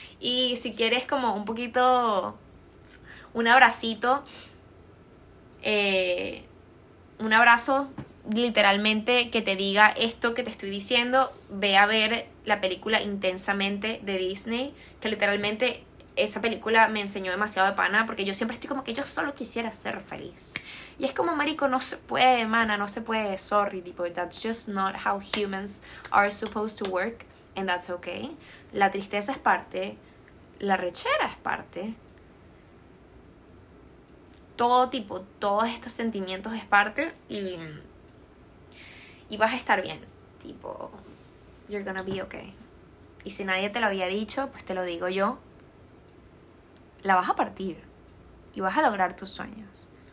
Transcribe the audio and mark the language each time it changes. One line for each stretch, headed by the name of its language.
Spanish: Y si quieres como un poquito, un abracito, un abrazo, literalmente, que te diga esto que te estoy diciendo, ve a ver la película Intensamente de Disney, que literalmente esa película me enseñó demasiado de pana, porque yo siempre estoy como que yo solo quisiera ser feliz. Y es como, marico, no se puede,
English: mana, no se puede, sorry, tipo, that's just not how humans are supposed to work, and that's okay.
Spanish: La tristeza es parte, la rechera es parte, todo tipo, todos estos sentimientos es parte, y vas a estar bien, tipo,
English: you're gonna be okay.
Spanish: Y si nadie te lo había dicho, pues te lo digo yo, la vas a partir, y vas a lograr tus sueños.